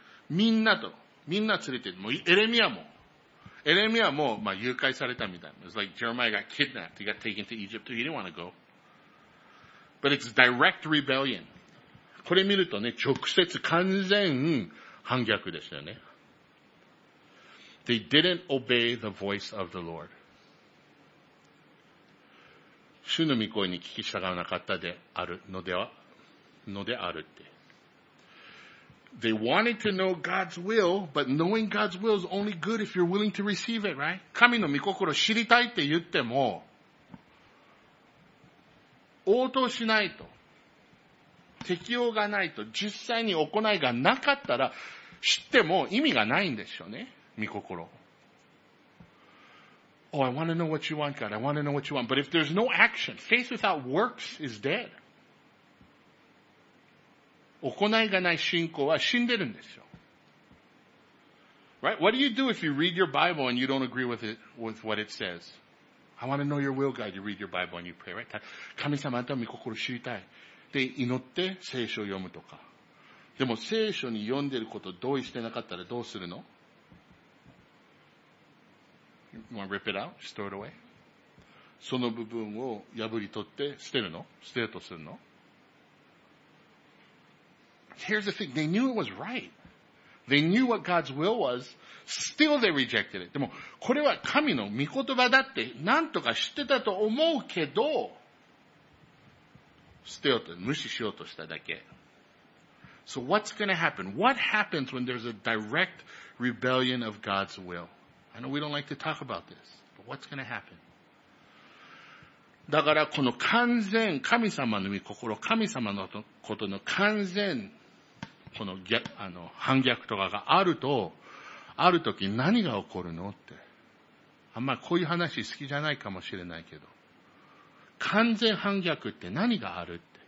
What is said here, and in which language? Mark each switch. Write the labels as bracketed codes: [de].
[ja] みんなと、みんな連れて、もうエレミアも、エレミアも、まあ、誘拐されたみたいな。 [en] It's like Jeremiah got kidnapped. He got taken to Egypt. He didn't want to go. But it's direct rebellion. [ja] これ見るとね、直接完全反逆ですよね。 [en] They didn't obey the voice of the Lord. [ja] 主の御声に聞き従わなかったであるのでは、のであるって。 [en] They wanted to know God's will, but knowing God's will is only good if you're willing to receive it, right? [ja] 神の御心を知りたいって言っても、応答しないと、適応がないと、実際に行いがなかったら、知っても意味がないんですよね、御心。 [en] Oh, I want to know what you want, God. I want to know what you want. But if there's no action, faith without works is dead. [ja] 行いがない信仰は死んでるんですよ。 [en] Right? What do you do if you read your Bible and you don't agree with it, with what it says? I want to know your will, God. You read your Bible and you pray, right? [ja] 神様と御心知りたい。で、祈って聖書を読むとか。でも聖書に読んでること同意してなかったらどうするの? [en] You want to rip it out? Just throw it away? [ja] その部分を破り取って捨てるの? 捨てるとするの? [en] Here's the thing, they knew it was right. They knew what God's will was, still they rejected it. [ja] でも、これは神の御言葉だって、なんとか知ってたと思うけど、捨てようと、無視しようとしただけ。 [en] So what's gonna happen? What happens when there's a direct rebellion of God's will? I know we don't like to talk about this, but what's gonna happen? [ja] だからこの完全、神様の御心、神様のことの完全、この逆、反逆とかがあると、ある時何が起こるのって。あんまこういう話好きじゃないかもしれないけど。完全反逆って何があるって。